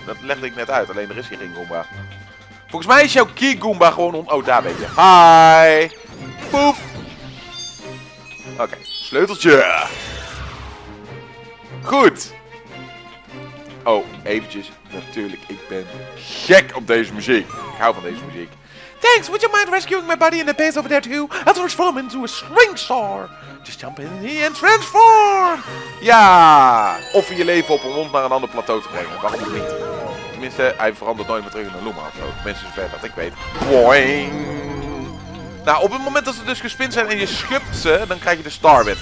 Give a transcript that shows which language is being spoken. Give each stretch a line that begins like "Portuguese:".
Dutch: Dat legde ik net uit, alleen er is hier geen Goomba. Volgens mij is jouw key Goomba gewoon on... Oh, daar ben je. Hi! Poef! Oké, sleuteltje. Goed. Oh, eventjes. Natuurlijk, ik ben gek op deze muziek. Ik hou van deze muziek.
English: Thanks, would you mind rescuing my buddy in the base over there too? I'll transform into a string star. Just jump in here and transform!
Dutch: Ja! Of je leven op een rond naar een ander plateau te brengen. Wacht niet. Tenminste, hij verandert nooit meer terug in een Luma ofzo. Tenminste, zover dat ik weet. Boing! Nou, op het moment dat ze dus gespind zijn en je schupt ze, dan krijg je de Star Whip.